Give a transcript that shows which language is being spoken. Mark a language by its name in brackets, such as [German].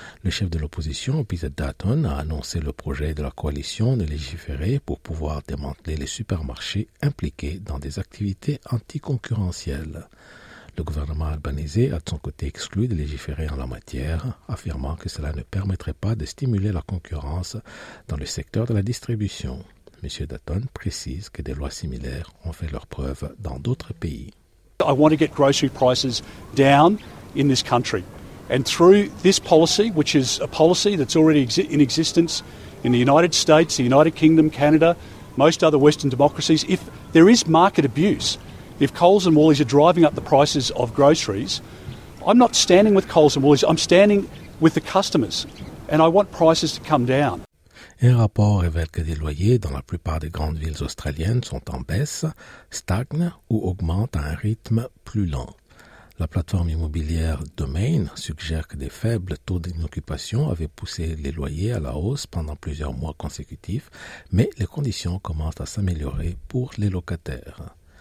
[French] Le chef de l'opposition, Peter Dutton, a annoncé le projet de la coalition de légiférer pour pouvoir démanteler les supermarchés impliqués dans des activités anticoncurrentielles. Le gouvernement albanaisé a de son côté exclu de légiférer en la matière, affirmant que cela ne permettrait pas de stimuler la concurrence dans le secteur de la distribution. M. Dutton précise que des lois similaires ont fait leur preuve dans d'autres pays. [English] I want to get grocery prices down in this country. And through this policy, which is a policy that's already in existence in the United States, the United Kingdom, Canada, most other Western democracies, if there is market abuse, if Coles and Woolies are driving up the prices of groceries, I'm not standing with Coles and Woolies, I'm standing with the customers. And I want prices to come down. [French] Un rapport révèle que les loyers dans la plupart des grandes villes australiennes sont en baisse, stagnent ou augmentent à un rythme plus lent. La plateforme immobilière Domain suggère que des faibles taux d'occupation avaient poussé les loyers à la hausse pendant plusieurs mois consécutifs, mais les conditions commencent à s'améliorer pour les locataires.